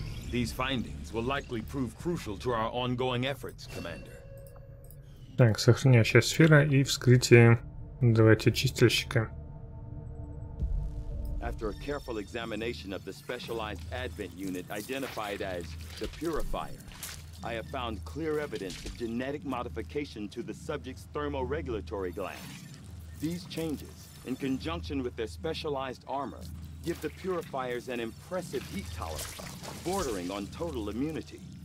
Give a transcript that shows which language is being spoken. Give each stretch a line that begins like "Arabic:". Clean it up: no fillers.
English: These findings will likely prove crucial to our ongoing efforts, Commander.
Russian: Так, сохраняющая сфера и вскрытие. Давайте чистильщика.
English: After a careful examination of the specialized Advent unit identified as the Purifier, I have found clear evidence of genetic modification to the subject's thermoregulatory glands. These changes, in conjunction with their specialized armor, give the Purifiers an impressive heat tolerance, bordering on total immunity.